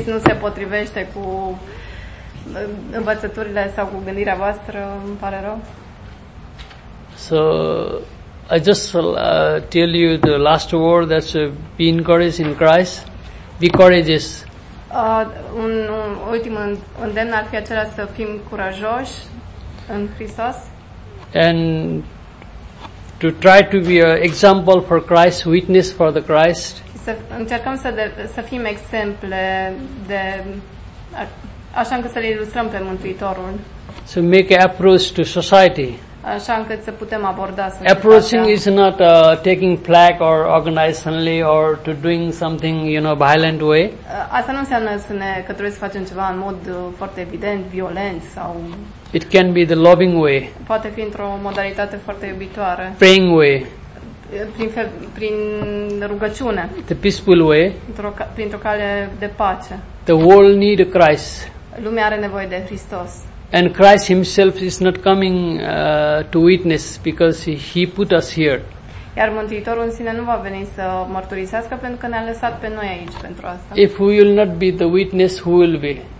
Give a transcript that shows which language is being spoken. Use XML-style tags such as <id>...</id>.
<ro>Dacă nu se potrivește cu învățăturile sau cu gândirea voastră, îmi pare rău.</ro> <en>So I just tell you the last word that be encouraged in Christ. Be courageous.</en> <ro>Un ultim îndemn ar fi acela să fim curajoși în Hristos.</ro> <en>And to try to be an example for Christ, witness for the Christ.</en> <ro>Să încercăm să fim exemple de așa încât să le ilustrăm pe Mântuitorul.</ro> <en>So make an approach to society.</en> <ro>Așa încât să putem aborda societatea.</ro> <en>Approaching is not taking plaque or organizedly or to doing something, you know, violent way.</en> <ro>Asta nu înseamnă să ne că trebuie să facem ceva în mod foarte evident, violent sau.</ro> <en>It can be the loving way.</en> <ro>Poate fi într-o modalitate foarte iubitoare.</ro> <en>Praying way.</en> <ro>Prin rugăciune.</ro> <en>The peaceful way.</en> <ro>Printr-o cale de pace.</ro> <en>The world need Christ.</en> <ro>Lumea are nevoie de Hristos.</ro> <en>And Christ himself is not coming to witness because he put us here.</en> <ro>Iar Mântuitorul în sine nu va veni să mărturisească pentru că ne-a lăsat pe noi aici pentru asta.</ro> <en>If we will not be the witness, who will be?</en>